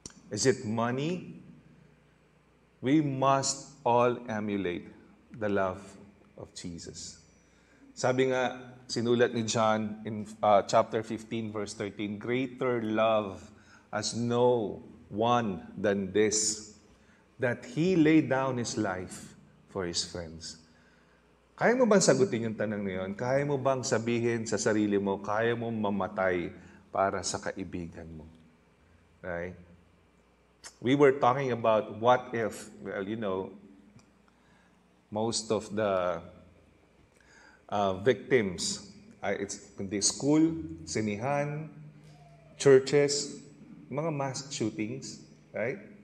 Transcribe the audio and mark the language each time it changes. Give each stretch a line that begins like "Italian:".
English: Is it money? We must all emulate the love of Jesus.
Filipino: Sabi nga, sinulat ni John
English: in chapter 15, verse 13, greater love has no one than this, that he laid down his life for his friends.
Filipino: Kaya mo bang sagutin yung tanong na yun? Kaya mo bang sabihin sa sarili mo, kaya mo mamatay para sa kaibigan mo?
English: Right? We were talking about what if, well, you know, most of the victims, it's the school, sinihan, churches, mga mass shootings, right?